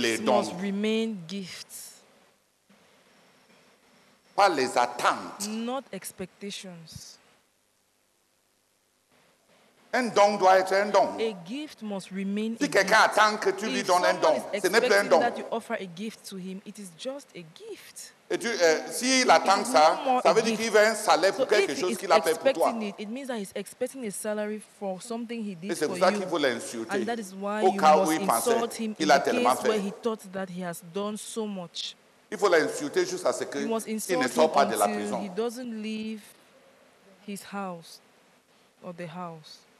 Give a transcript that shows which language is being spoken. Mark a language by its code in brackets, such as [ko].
[fr] les dons. [en] Must remain gifts. [fr] Pas les attentes. [en] Not expectations. [fr] Un don doit être un don. [en] A gift must remain [fr] si quelqu'un attend que tu lui donnes un don, ce n'est plus un don. [en] That you offer a gift to him, it is just a gift. [fr] Et si il attend ça, ça veut dire qu'il veut un salaire pour quelque chose qu'il a fait pour toi. [en] It, it means that he's expecting a salary for something he did for you. [fr] Et c'est pour ça qu'il veut l'insulter. [en] And that is why you must insult him in the case where he thought that he has done so much. [fr] Il faut l'insulter jusqu'à ce qu'il ne sort pas de la prison. [en] He doesn't leave his house or the house.